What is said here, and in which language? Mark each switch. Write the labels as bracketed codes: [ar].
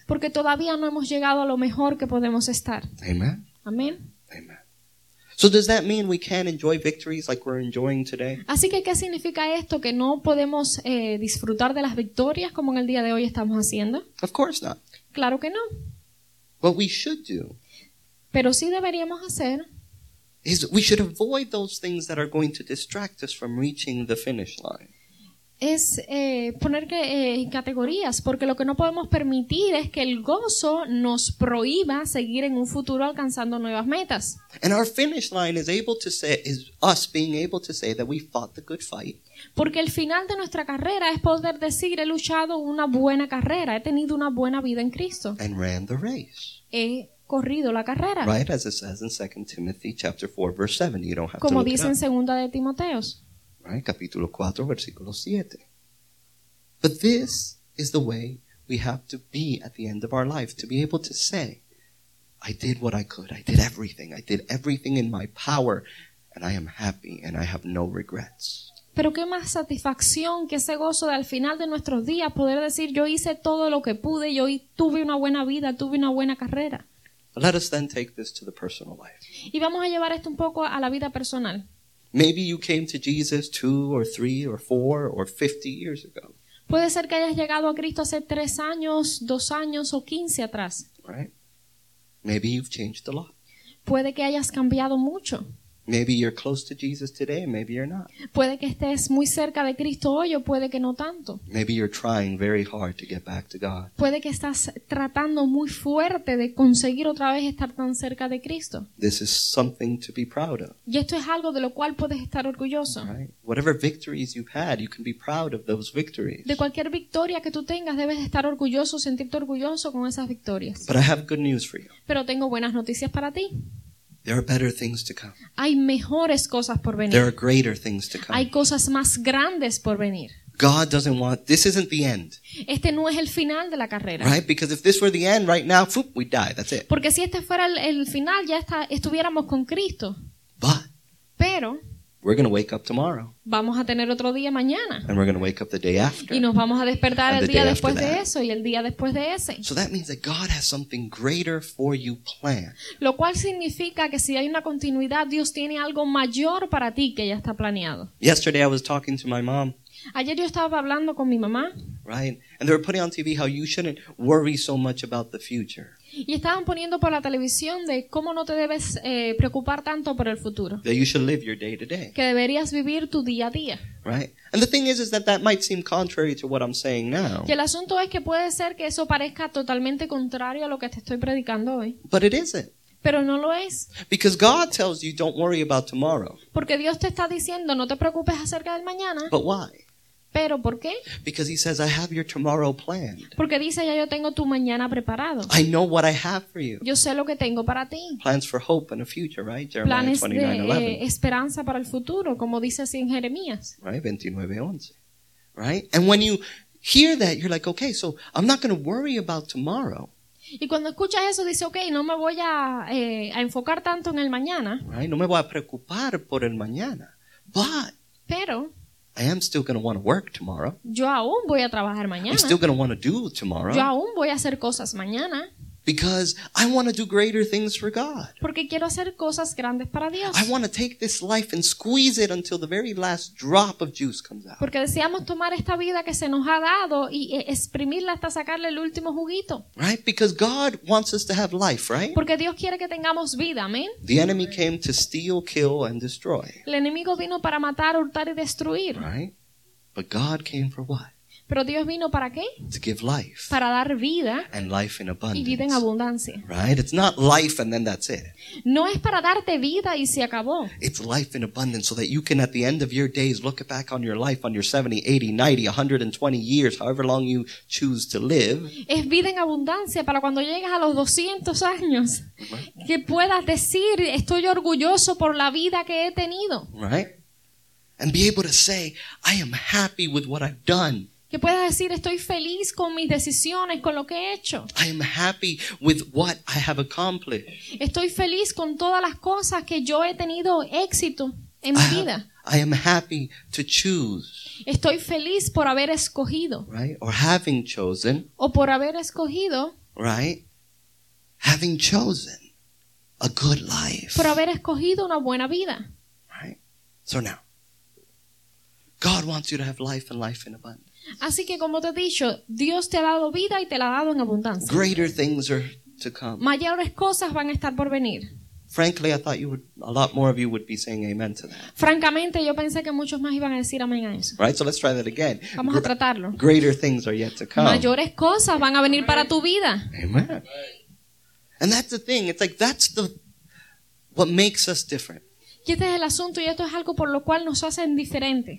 [es] Porque todavía no hemos llegado a lo mejor que podemos estar. [en] Amen. [es] Amén. [en] Amen. So does that mean we can't enjoy victories like we're enjoying today? [es] Así que ¿qué significa esto que no podemos disfrutar de las victorias como en el día de hoy estamos haciendo? [en] Of course not. [es] Claro que no. [en] What we should do, [es] pero sí deberíamos hacer, [en] is we should avoid those things that are going to distract us from reaching the finish line. [es] Es poner que categorías, porque lo que no podemos permitir es que el gozo nos prohíba seguir en un futuro alcanzando nuevas metas. [en] And our finish line is able to say is us being able to say that we fought the good fight. [es] Porque el final de nuestra carrera es poder decir he luchado una buena carrera, he tenido una buena vida en Cristo. [en] And ran the race. [es] He corrido la carrera. [en] Right, as it says in 2 Timothy chapter 4 verse 7, you don't have [es] como [en] to look [es] dice [en] it up. [es] En 2 de Timoteos. [en] Right, [es] capítulo 4, versículo 7. [en] But this is the way we have to be at the end of our life, to be able to say, I did what I could, I did everything in my power, and I am happy, and I have no regrets. [es] Pero qué más satisfacción que ese gozo de al final de nuestros días poder decir, yo hice todo lo que pude, yo tuve una buena vida, tuve una buena carrera. [en] Let us then take this to the personal life. [es] Y vamos a llevar esto un poco a la vida personal. [en] Maybe you came to Jesus 2 or 3 or 4 or 50 years ago. [es] Puede ser que hayas llegado a Cristo hace 3 años, 2 años o 15 atrás. [en] Right? Maybe you've changed a lot. [es] Puede que hayas cambiado mucho. [en] Maybe you're close to Jesus today, maybe you're not. [es] Puede que estés muy cerca de Cristo hoy o puede que no tanto. [en] Maybe you're trying very hard to get back to God. [es] Puede que estás tratando muy fuerte de conseguir otra vez estar tan cerca de Cristo. [en] This is something to be proud of. [es] Y esto es algo de lo cual puedes estar orgulloso. [en] Right? Whatever victories you've had, you can be proud of those victories. [es] De cualquier victoria que tú tengas, debes estar orgulloso, sentirte orgulloso con esas victorias. [en] But I have good news for you. [es] Pero tengo buenas noticias para ti. [en] There are better things to come. [es] Hay mejores cosas por venir. [en] There are greater things to come. [es] Hay cosas más grandes por venir. [en] God doesn't want, this isn't the end. [es] Este no es el final de la carrera. [en] Right? Because if this were the end right now, whoop, we'd die. That's it. [es] Porque si este fuera el final, ya está, estuviéramos con Cristo. [en] But. [es] Pero. [en] We're going to wake up tomorrow. [es] Vamos a tener otro día mañana. [en] And we're going to wake up the day after. [es] Y nos vamos a despertar el día después de eso y el día después de ese. [en] So that means that God has something greater for you planned. [es] Lo cual significa que si hay una continuidad, Dios tiene algo mayor para ti que ya está planeado. [en] Yesterday I was talking to my mom. [es] Ayer yo estaba hablando con mi mamá. [en] Right. And they were putting on TV how you shouldn't worry so much about the future. [es] Y estaban poniendo por la televisión de cómo no te debes preocupar tanto por el futuro. [en] That you should live your day to day. [es] Que deberías vivir tu día a día. [en] Right. And the thing is that that might seem contrary to what I'm saying now. [es] Y el asunto es que puede ser que eso parezca totalmente contrario a lo que te estoy predicando hoy. [en] But it isn't. [es] Pero no lo es. [en] Because God tells you don't worry about tomorrow. [es] Porque Dios te está diciendo no te preocupes acerca del mañana. [en] But why? [es] ¿Pero por qué? [en] Because he says, I have your tomorrow planned. [es] Porque dice, ya yo tengo tu mañana preparado. [en] I know what I have for you. [es] Yo sé lo que tengo para ti. [en] Plans for hope and a future, right? Jeremiah 29:11. [es] Planes de esperanza para el futuro, como dice así en Jeremías. [en] Right? 29:11. Right? And when you hear that, you're like, okay, so I'm not going to worry about tomorrow. [es] Y cuando escuchas eso, dice, okay, no me voy a enfocar tanto en el mañana. [en] Right? [es] No me voy a preocupar por el mañana. [en] But, [es] pero, [en] I am still going to want to work tomorrow. [es] Yo aún voy a trabajar mañana. [en] I'm still going to want to do tomorrow. [es] Yo aún voy a hacer cosas mañana. [en] Because I want to do greater things for God. [es] Porque quiero hacer cosas grandes para Dios. [en] I want to take this life and squeeze it until the very last drop of juice comes out. [es] Porque deseamos tomar esta vida que se nos ha dado y exprimirla hasta sacarle el último juguito. [en] Right? Because God wants us to have life, right? [es] Porque Dios quiere que tengamos vida, amén. [en] The enemy came to steal, kill, and destroy. [es] El enemigo vino para matar, hurtar y destruir. [en] Right? But God came for what? [es] ¿Pero Dios vino para qué? [en] To give life. [es] Para dar vida. [en] And life in abundance. [es] Y vida en abundancia. [en] Right? It's not life and then that's it. [es] No es para darte vida y se acabó. [en] It's life in abundance so that you can at the end of your days look back on your life, on your 70, 80, 90, 120 years, however long you choose to live. [es] Es vida en abundancia para cuando llegues a los 200 años que puedas decir, estoy orgulloso por la vida que he tenido. [en] Right? And be able to say, I am happy with what I've done. [es] Que puedas decir, estoy feliz con mis decisiones, con lo que he hecho. [en] I am happy with what I have accomplished. [es] Estoy feliz con todas las cosas que yo he tenido éxito en mi vida. [en] I am happy to choose. [es] Estoy feliz por haber escogido. [en] Right? Or having chosen. [es] O por haber escogido. [en] Right? Having chosen a good life. [es] Por haber escogido una buena vida. [en] Right? So now, God wants you to have life and life in abundance. [es] Así que como te he dicho, Dios te ha dado vida y te la ha dado en abundancia. [en] Greater things are to come. [es] Mayores cosas van a estar por venir. [en] Frankly, I thought you would, a lot more of you would be saying amen to that. [es] Francamente, yo pensé que muchos más iban a decir amén a eso. [en] Right, so let's try that again. [es] Vamos a tratarlo. [en] Greater things are yet to come. [es] Mayores cosas van a venir amen. Para tu vida. [en] Amen. And that's the thing. It's like that's the what makes us different. [es] Y este es el asunto y esto es algo por lo cual nos hacen diferentes.